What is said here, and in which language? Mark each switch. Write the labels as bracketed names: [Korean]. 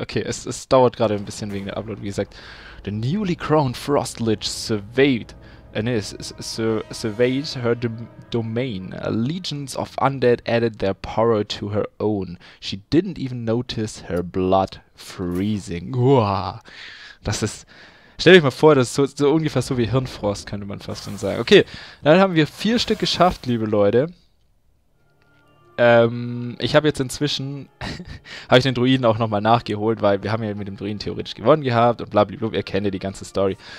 [German] Okay, es dauert gerade ein bisschen wegen der Upload, wie gesagt. [English] The newly crowned Frost Lich surveyed... surveyed her domain. Legions of undead added their power to her own. She didn't even notice her blood freezing. [German] Uah. Das ist... Stell euch mal vor, das ist so ungefähr so wie Hirnfrost, könnte man fast schon sagen. Okay, dann haben wir 4 Stück geschafft, liebe Leute. Ich habe jetzt inzwischen, habe ich den Druiden auch nochmal nachgeholt, weil wir haben ja mit dem Druiden theoretisch gewonnen gehabt und blablabla, ihr kennt ja die ganze Story.